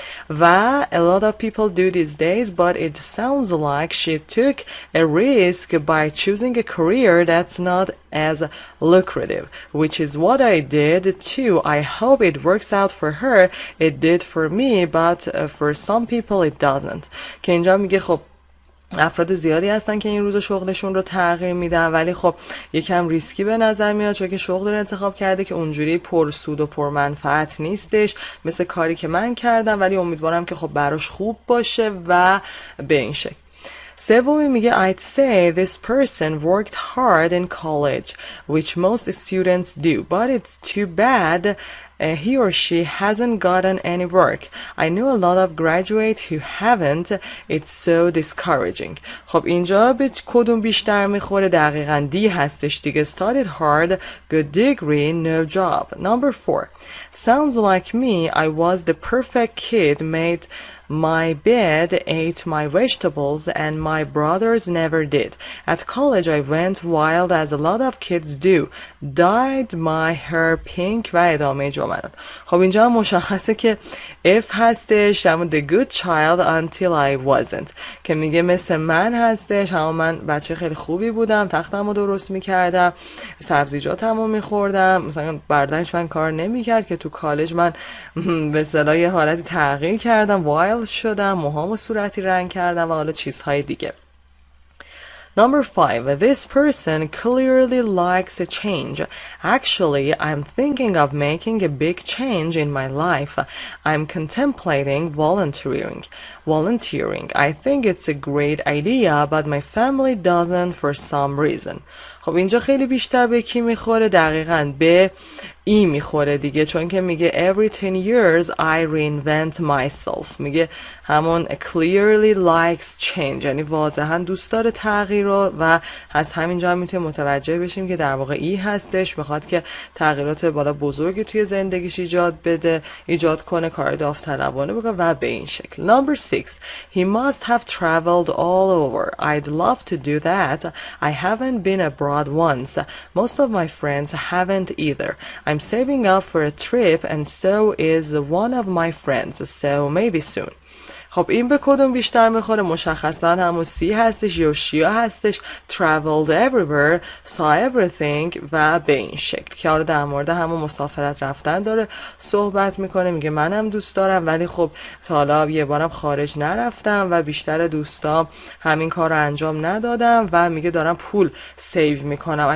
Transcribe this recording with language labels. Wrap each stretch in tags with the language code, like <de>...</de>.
<en>و a lot of people do these days, but it sounds like she took a risk by choosing a career that's not as lucrative, which is what I did too. I hope it works out for her. It did for me, but for some people it doesn't.</en> <fa>که اینجا میگه خب افراد زیادی هستن که این روز شغلشون رو تغییر میدن، ولی خب یکم ریسکی به نظر میاد، چون که شغل رو انتخاب کرده که اونجوری پر سود و پر منفعت نیستش مثل کاری که من کردم، ولی امیدوارم که خب براش خوب باشه و به این شکل. سومی میگه</fa> <en>I'd say this person worked hard in college, which most students do, but it's too bad he or she hasn't gotten any work. I know a lot of graduates who haven't. It's so discouraging.</en> <fa>خب اینجا به کدوم بیشتر میخوره؟ دقیقا دی هستش دیگه.</fa> <en>Started hard, good degree, no job. Number 4. Sounds like me, I was the perfect kid, made my bed, ate my vegetables, and my brothers never did. At college, I went wild, as a lot of kids do. Dyed my hair pink.</en> <fa>و ادامه جمله. خب اینجا مشخصه که</fa> <en>if</en> <fa>هستش، همون</fa> <en>the good child until I wasn't.</en> <fa>که میگه مثل من هستش، همون من بچه خیلی خوبی بودم، تختم رو درست میکردم، سبزیجاتم رو میخوردم، مثلا بردنش من کار نمیکرد، که تو کالج من به اصطلاح یه حالتی تغییر کردم، وایلد شدم، موهامو صورتی رنگ کردم و حالا چیزهای دیگه.</fa> <en>Number 5. This person clearly likes a change. Actually, I'm thinking of making a big change in my life. I'm contemplating volunteering. I think it's a great idea, but my family doesn't for some reason.</en> <fa>خب اینجا خیلی بیشتر به کی میخوره؟ دقیقاً به ای میخوره دیگه، چون که میگه</fa> <en>every 10 years I reinvent myself،</en> <fa>میگه همون</fa> <en>clearly likes change،</en> <fa>یعنی واضحاً دوست داره تغییر رو، و از همینجا هم میتونیم متوجه بشیم که در واقع ای هستش، میخواد که تغییرات بالا بزرگی توی زندگیش ایجاد کنه، کار داوطلبانه بکنه و به این شکل.</fa> <en>Number 6. He must have traveled all over. I'd love to do that. I haven't been abroad once. Most of my friends haven't either. I'm saving up for a trip and so is one of my friends, so maybe soon.</en> <fa>خب این به کدوم بیشتر میخوره؟ مشخصا همون سی هستش، یوشیا هستش.</fa> <en>Traveled everywhere, saw everything</en> <fa>و به این شکل، که حالا در مورد همون مسافرت رفتن داره صحبت میکنه، میگه منم دوست دارم ولی خب تا حالا یه بارم خارج نرفتم و بیشتر دوستام همین کار رو انجام ندادم، و میگه دارم پول سیو میکنم.</fa>